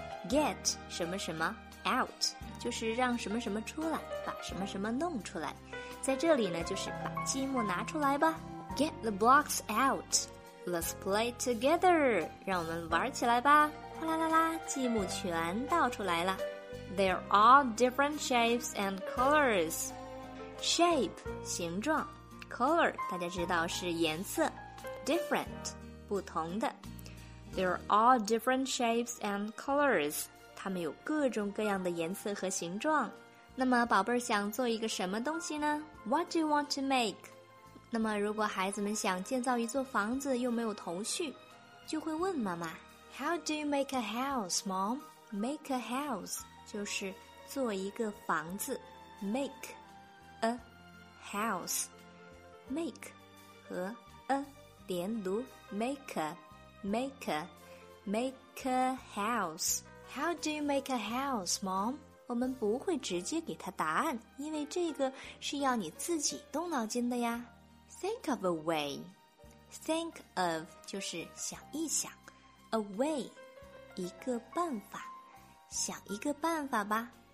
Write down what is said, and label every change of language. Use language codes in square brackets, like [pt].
[zh] Get 什么什么 out 就是让什么什么出来，把什么什么弄出来，在这里呢就是把积木拿出来吧。 [en] Get the blocks out. Let's play together. [zh] 让我们玩起来吧。哗啦啦啦，积木全倒出来了。 [en] There are different shapes and colors. [zh] Shape 形状， Color 大家知道是颜色， Different 不同的。 [en] There are different shapes and colors. [zh] 它们有各种各样的颜色和形状。那么宝贝儿想做一个什么东西呢？ [en] What do you want to make? [zh] 那么如果孩子们想建造一座房子又没有头绪，就会问妈妈， [en] How do you make a house, Mom? Make a house [zh] 就是做一个房子。 [en] Make a house. Make 和 a [zh] 连读， [en] Make a, make a, make a house. How do you make a house, Mom? [zh] 我们不会直接给他答案，因为这个是要你自己动脑筋的呀。 [en] Think of a way. [zh] Think of 就是想一想，A way, 一个办法，想一个办法吧。